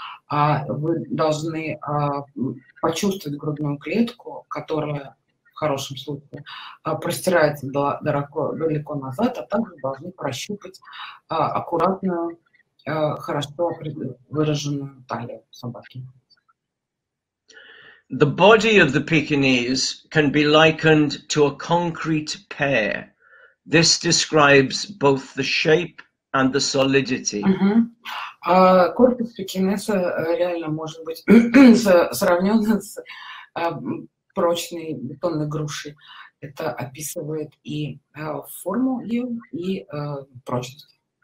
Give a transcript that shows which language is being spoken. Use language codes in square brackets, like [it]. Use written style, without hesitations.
[ru] Вы должны почувствовать грудную клетку, которая в хорошем случае простирается далеко назад, а также должны прощупать аккуратную, хорошо выраженную талию собаки. [en] The body of the Pekinese can be likened to a concrete pear. This describes both the shape and the solidity. [ru] Корпус пекинеса реально может быть сравнен с прочной бетонной грушей. Это описывает и форму ее, и прочность.